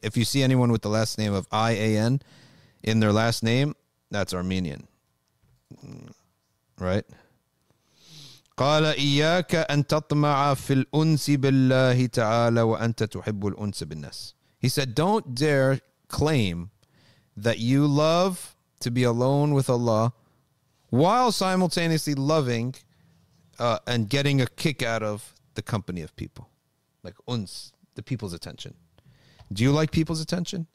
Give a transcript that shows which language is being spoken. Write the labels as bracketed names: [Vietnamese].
[English] If you see anyone with the last name of I-A-N in their last name, that's Armenian. Right? [Arabic] قال إياك أن تطمع في الأنس بالله تعالى وأنت تحب الأنس بالناس. [English] He said, don't dare claim that you love to be alone with Allah while simultaneously loving and getting a kick out of the company of people. Like uns, the people's attention. Do you like people's attention?